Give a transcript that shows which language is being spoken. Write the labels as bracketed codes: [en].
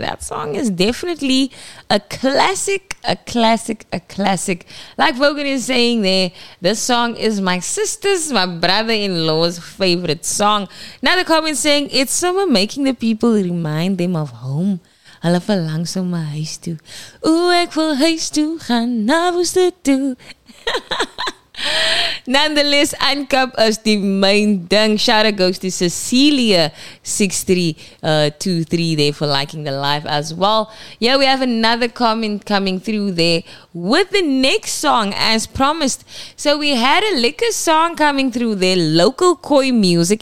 [en] That song is definitely a classic. Like Vogan is saying there, this song is my sister's, my brother-in-law's favorite song. Now the comment saying, it's summer making the people remind them of home. [af] Hulle verlang so my huis toe. Ooh, ek wil huis toe gaan na Woester toe. [en] Nonetheless, Uncup is the main ding. Shout out goes to Cecilia 6323 there for liking the live as well. Yeah, we have another comment coming through there with the next song as promised. So we had a liquor song coming through there, local Khoi music.